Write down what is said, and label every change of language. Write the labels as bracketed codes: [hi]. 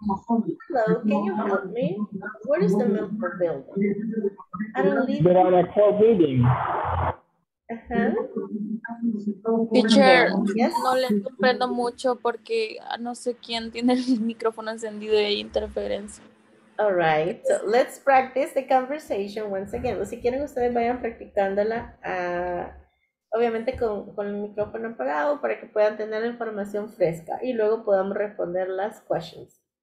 [en] Hello, can you help me? Where is the Milford building? I don't live there. There are four buildings. [es] Teacher, no le comprendo mucho porque no sé quién tiene el micrófono encendido y hay interferencia. [en] All right, so let's practice the conversation once again. [es] Si quieren ustedes vayan practicándola, obviamente con el micrófono apagado para que puedan tener la información fresca y luego podamos responder las questions.